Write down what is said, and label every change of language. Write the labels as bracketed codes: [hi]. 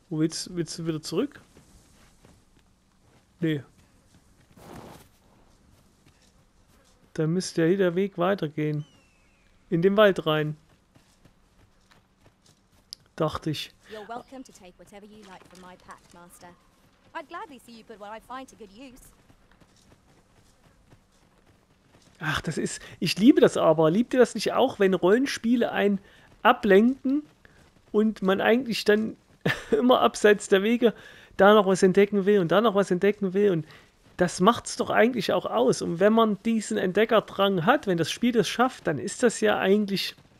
[de] Wo willst du wieder zurück? Nee. Da müsste ja jeder Weg weitergehen. In den Wald rein. Dachte ich. [en] You're welcome to take whatever you like from my pack, Master. I'd gladly see you put what I find to good use. [de] Ach, das ist... Ich liebe das aber. Liebt ihr das nicht auch, wenn Rollenspiele einen ablenken und man eigentlich dann immer abseits der Wege da noch was entdecken will und da noch was entdecken will? Und das macht es doch eigentlich auch aus. Und wenn man diesen Entdeckerdrang hat, wenn das Spiel das schafft, dann ist das ja eigentlich...